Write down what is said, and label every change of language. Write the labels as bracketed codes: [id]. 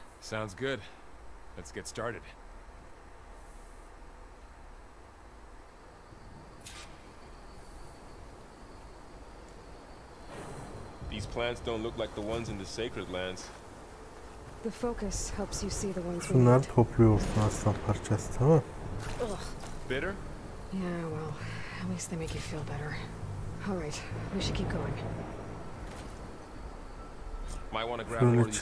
[en] Sounds good. Let's get started. These plants don't look like the ones in the sacred lands. The focus helps you see the ones. [tr] Şunlar topluyorsun aslan parçası, tamam? Ugh. [en] Bitter? Yeah, well. At least they make you feel better. All right, we should keep going. Might want to grab one of these plants.